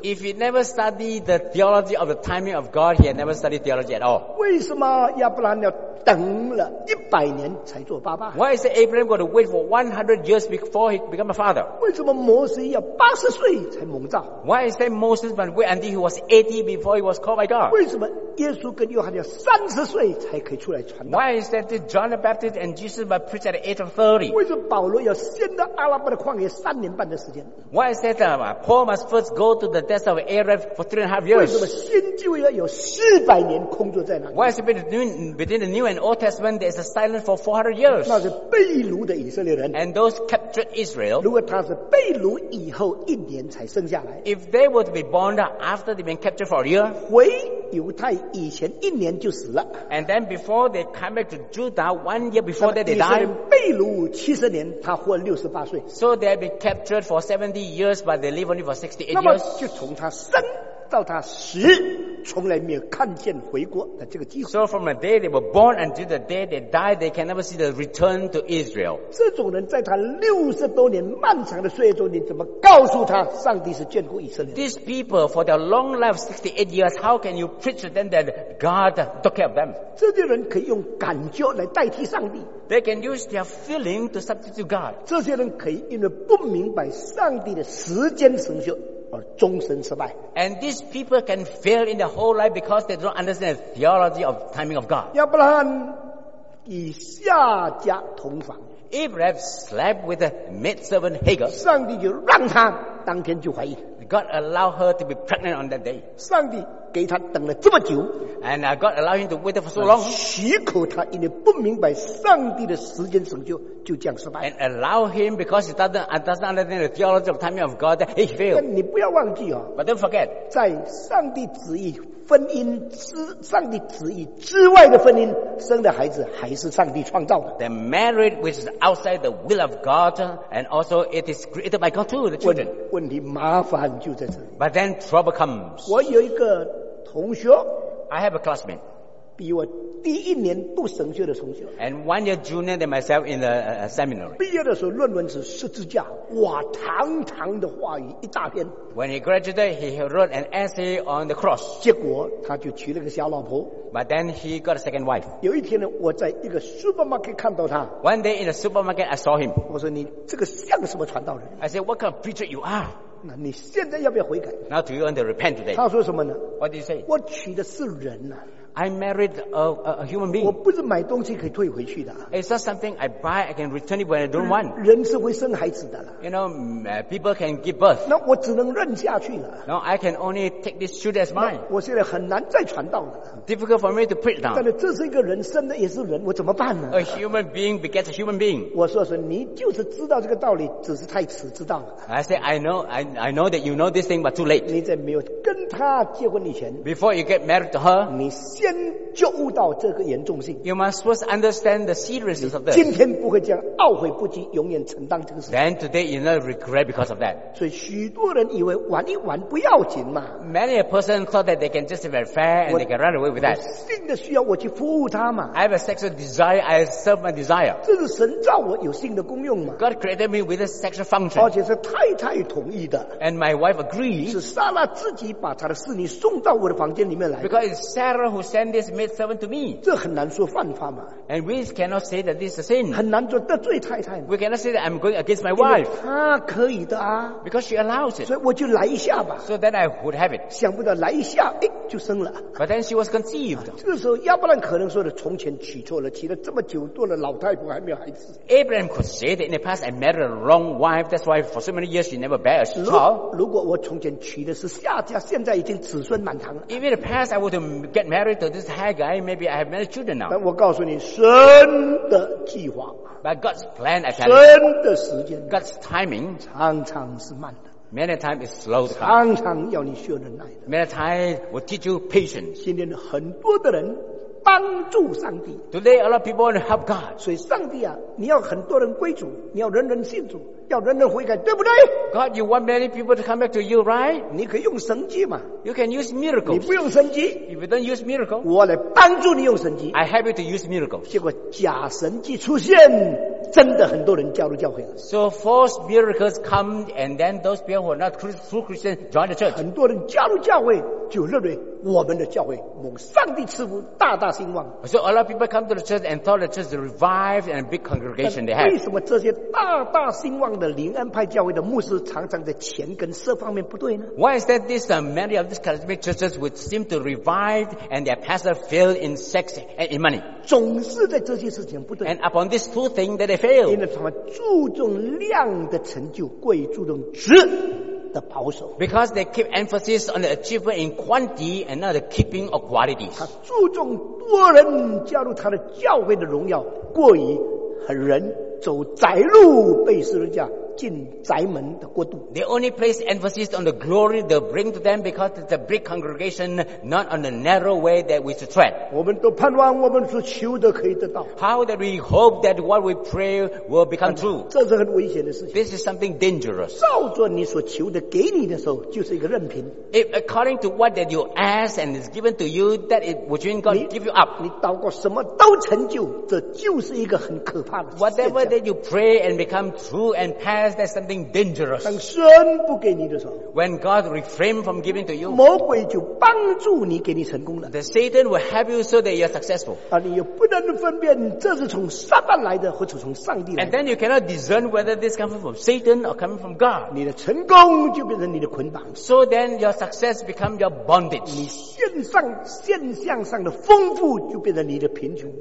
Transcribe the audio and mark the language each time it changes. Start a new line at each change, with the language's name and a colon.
English: If he never studied the theology of the timing of God, he had never studied theology at all.
Chinese: 为什么亚伯兰要等了一百年才做爸爸？
English: Why is Abraham going to wait for 100 years before he become a father?
Chinese: 为什么摩西要八十岁才蒙召？
English: Why is that Moses must wait until he was 80 before he was called by God?
Chinese: 为什么耶稣跟约翰要三十岁才可以出来传道？
English: Why is that John the Baptist and Jesus must preach at the age of 30?
Chinese: 为什么保罗要先到阿拉伯的旷野三年半的时间？
English: Why is that Paul must first go to the desert of Arab for 3.5 years?
Chinese: 为什么新旧约有四百年空座在那里？
English: Why is it between the New and Old Testament there is a silence for 400 years?
Chinese: 那是被掳的以色列人。
English: And those captured Israel.
Chinese: 如果他是被掳以后一年才生下来。
English: If they were to be born after they've been captured for a year.
Chinese: 回犹太以前一年就死了。
English: And then before they come back to Judah, 1 year before that they die.
Chinese: 以色列被掳70年他活68岁。
English: So they've been captured for 70 years, but they live only for 68 years.
Chinese: 那么就从他生到他死从来没有看见回国的这个机会。
English: So from the day they were born until the day they died, they can never see the return to Israel.
Chinese: 这种人在他六十多年漫长的岁月中，你怎么告诉他上帝是眷顾以色列？
English: These people for their long life, 68 years, how can you preach to them that God took care of them?
Chinese: 这些人可以用感觉来代替上帝。
English: They can use their feeling to substitute God.
Chinese: 这些人可以因为不明白上帝的时间程序。而终身失败。
English: And these people can fail in their whole life because they don't understand the theology of the timing of God.
Chinese: 亚伯拉罕与夏甲同房。
English: Abraham slept with the maidservant Hagar.
Chinese: 上帝就让他当天就怀孕。
English: God allowed her to be pregnant on that day.
Chinese: 上帝给他等了这么久。
English: And God allowed him to wait for so long.
Chinese: 许可他因为不明白上帝的时间成就就这样失败。
English: And allow him because he doesn't understand the theology of the timing of God, he failed.
Chinese: 但你不要忘记哦。
English: But don't forget.
Chinese: 在上帝旨意婚姻之上帝旨意之外的婚姻生的孩子还是上帝创造的。
English: The marriage which is outside the will of God and also it is created by God too, the children.
Chinese: 问题麻烦就在这里。
English: But then trouble comes.
Chinese: 我有一个同学。
English: I have a classmate.
Chinese: 比我第一年读神学的同学。
English: And 1 year junior than myself in the seminary.
Chinese: 毕业的时候论文是十字架，哇，堂堂的话语一大篇。
English: When he graduated, he wrote an essay on the cross.
Chinese: 结果他就娶了个小老婆。
English: But then he got a second wife.
Chinese: 有一天呢，我在一个 supermarket 看到他。
English: One day in a supermarket, I saw him.
Chinese: 我说你这个像什么传道人
English: ？I said, what kind of preacher you are?
Chinese: 那你现在要不要悔改
English: ？Now do you want to repent today?
Chinese: 他说什么呢
English: ？What did he say?
Chinese: 我娶的是人呐、啊。
English: I married a human being.
Chinese: 我不是买东西可以退回去的。
English: It's not something I buy. I can return it when I don't want.
Chinese: 人是会生孩子的啦。
English: You know, people can give birth.
Chinese: 那我只能认下去了。
English: No, I can only take this shoot as mine.
Chinese: 我现在很难再传道了。
English: Difficult for me to preach now.
Chinese: 但是这是一个人生的，也是人，我怎么办呢
English: ？A human being begets a human being.
Chinese: 我说是，你就是知道这个道理，只是太迟知道了。
English: I say I know that you know this thing, but too late.
Chinese: 你在没有跟他结婚以前
English: ，Before you get married to her,
Chinese: 你先。觉悟到这个严重性。
English: You must first understand the seriousness of this.
Chinese: 今天不会这样，懊悔不及，永远承担这个事。
English: Then today you never regret because of that.
Chinese: 所以许多人以为玩一玩不要紧嘛。
English: Many a person thought that they can just be fair and they can run away with that.
Chinese: 性的需要我去服务他嘛。
English: I have a sexual desire, I serve my desire.
Chinese: 这是神造我有性的功用嘛。
English: God created me with a sexual function.
Chinese: 而且是太太同意的。
English: And my wife agreed.
Chinese: 是莎拉自己把她的侍女送到我的房间里面来。
English: Because it's Sarah who sent this maidservant to me.
Chinese: 这很难说犯法嘛。
English: And we cannot say that this is a sin.
Chinese: 很难说得罪太太。
English: We cannot say that I'm going against my wife.
Chinese: 因为她可以的啊。
English: Because she allows it.
Chinese: 所以我就来一下吧。
English: So then I would have it.
Chinese: 想不到来一下，哎，就生了。
English: But then she was conceived.
Chinese: 这个时候亚伯兰可能说的从前娶错了，娶了这么久多了老太婆还没有孩子。
English: Abraham could say that in the past I married a wrong wife. That's why for so many years she never bear a child.
Chinese: 如果我从前娶的是夏家，现在已经子孙满堂了。
English: In the past I would get married to this Haggai, maybe I have many children now.
Chinese: 但我告诉你，神的计划
English: ，by God's plan, I tell you,
Chinese: 神的时间
English: ，God's timing,
Chinese: 常常是慢的。
English: Many times it's slow time.
Chinese: 常常要你学忍耐的。
English: Many times will teach you patience.
Chinese: 今天很多的人帮助上帝。
English: Today a lot of people want to help God.
Chinese: 所以上帝啊，你要很多人归主，你要人人信主。要人人悔改，对不对
English: ？God, you want many people to come back to you, right?
Chinese: 你可以用神迹嘛
English: ？You can use miracles.
Chinese: 你不用神迹
English: ，If you don't use miracles,
Chinese: 我来帮助你用神迹。
English: I help you to use miracles.
Chinese: 结果假神迹出现，真的很多人加入教会了。
English: So false miracles come, and then those people who are not true Christians join the church.
Chinese: 很多人加入教会就认为我们的教会蒙上帝赐福，大大兴旺。
English: So a lot of people come to the church and thought the church is revived and a big congregation they have.
Chinese: 为什么这些大大兴旺的灵恩派教会的牧师常常在钱跟色方面不对呢
English: ？Why is that this many of these charismatic churches would seem to revive and their pastor fail in sex and in money？
Chinese: 总是在这些事情不对。
English: And upon these two things that they fail，
Chinese: 因为他们注重量的成就，过于注重质。的保守
English: ，because they keep emphasis on the achievement in quantity and not the keeping of qualities.
Chinese: 他注重多人加入他的教会的荣耀，过于很人走窄路被十字架进窄门的过渡。
English: They only place emphasis on the glory they bring to them because it's a big congregation, not on the narrow way that we should tread.
Chinese: 我们都盼望我们所求的可以得到。
English: How that we hope that what we pray will become true.
Chinese: 这是很危险的事情。
English: This is something dangerous.
Chinese: 照着你所求的给你的时候，就是一个任凭。
English: If according to what that you ask and is given to you, that it would you God give you up.
Chinese: 你祷告什么都成就，这就是一个很可怕的事情。
English: Whatever that you pray and become true and pass. That's something dangerous.
Chinese: 当神不给你的时候
English: ，When God refrain from giving to you，
Chinese: 魔鬼就帮助你给你成功了。
English: The Satan will help you so that you are successful.
Chinese: 啊，你又不能分辨这是从撒旦来的，或者从上帝来的。
English: And then you cannot discern whether this comes from Satan or coming from God.
Chinese: 你的成功就变成你的捆绑。
English: So then your success becomes your bondage.
Chinese: 你现象上的丰富就变成你的贫穷。